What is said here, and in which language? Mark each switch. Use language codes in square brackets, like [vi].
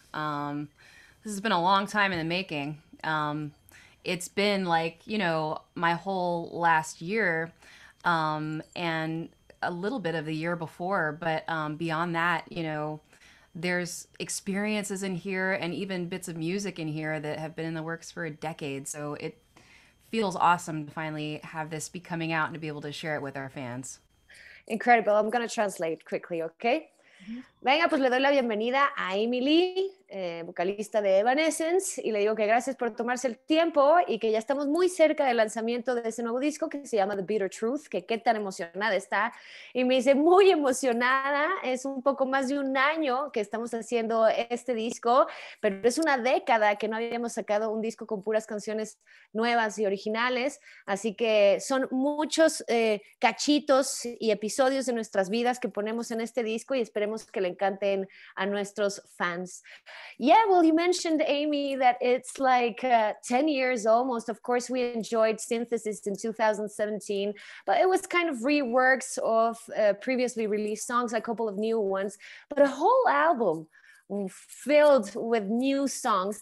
[en] This has been a long time in the making. It's been like, you know, my whole last year, and a little bit of the year before, but beyond that, you know, there's experiences in here and even bits of music in here that have been in the works for a decade. So it feels awesome to finally have this be coming out and to be able to share it with our fans. Incredible. I'm going to translate quickly, okay? [es] Venga, pues le doy la bienvenida a Emily, vocalista de Evanescence, y le digo que gracias por tomarse el tiempo y que ya estamos muy cerca del lanzamiento de ese nuevo disco que se llama The Bitter Truth, que qué tan emocionada está. Y me dice, muy emocionada, es un poco más de un año que estamos haciendo este disco, pero es una década que no habíamos sacado un disco con puras canciones nuevas y originales, así que son muchos cachitos y episodios de nuestras vidas que ponemos en este disco y esperemos que le encanten a nuestros fans. [en] Yeah, well, you mentioned, Amy, that it's like 10 years almost. Of course, we enjoyed Synthesis in 2017, but it was kind of reworks of previously released songs, a couple of new ones, but a whole album filled with new songs.